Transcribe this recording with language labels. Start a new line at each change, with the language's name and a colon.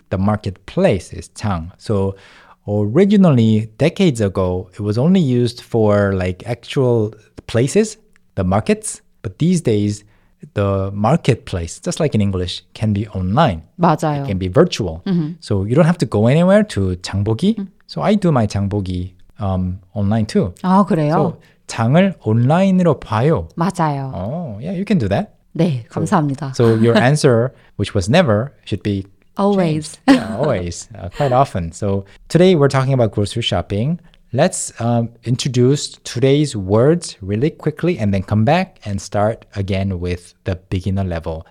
English: The marketplace is 장. So originally, decades ago, it was only used for like actual places, the markets. But these days, the marketplace, just like in English, can be online.
Korean: 맞아요.
English: It can be virtual. Mm-hmm. So you don't have to go anywhere to 장보기. Mm-hmm. So I do my 장보기 online too.
Korean: 아, 그래요? So, 장을 온라인으로 봐요. 맞아요.
English: Oh, yeah, you can do that.
Korean: 네, 감사합니다.
English: So your answer, which was never, should be always. Changed. Yeah, always. Quite often. So today we're talking about grocery shopping. Let's introduce today's words really quickly and then come back and start again with the beginner level.